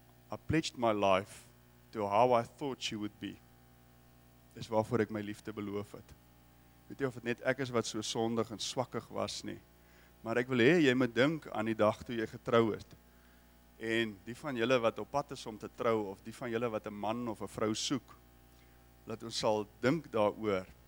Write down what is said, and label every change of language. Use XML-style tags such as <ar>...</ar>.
<en>I pledged my life to how I thought she would be.</en> <af>Dis waarvoor ek my liefde beloof het. Weet jy of het net ek is wat so sondig en swakkig was nie. Maar ek wil hê jy moet dink aan die dag toe jy getrou het. En die van julle wat op pad is om te trou, of die van julle wat 'n man of 'n vrou soek, laat ons sal dink daaroor.</af>